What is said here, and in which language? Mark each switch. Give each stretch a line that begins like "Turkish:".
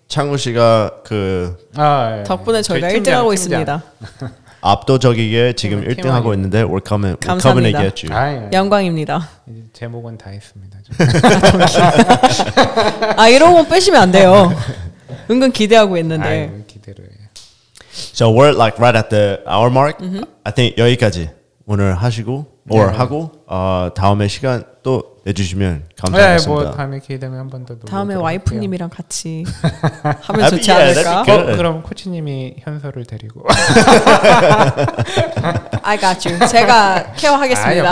Korean: 창우 씨가 그 아, 네. 덕분에 저희가 1등 팀장, 하고 있습니다. 압도적이게 지금 팀, 1등 하고 있는데
English: we're coming to get you.
Korean: 아, 네. 영광입니다. 제목은 다 했습니다. 아 이런 건 빼시면 안 돼요. 은근 기대하고 있는데 기대를 해요.
English: So we're like right at the hour mark. I think
Korean: 여기까지 오늘 하시고 뭘 네. 하고 다음에 시간 또 내주시면 감사하겠습니다. 네, 뭐 다음에 기회 되면 한 번 더 다음에 와이프님이랑 같이 하면 좋지 않을까? 그럼 코치님이 현서를 데리고
English: I got you.
Korean: 제가 케어하겠습니다.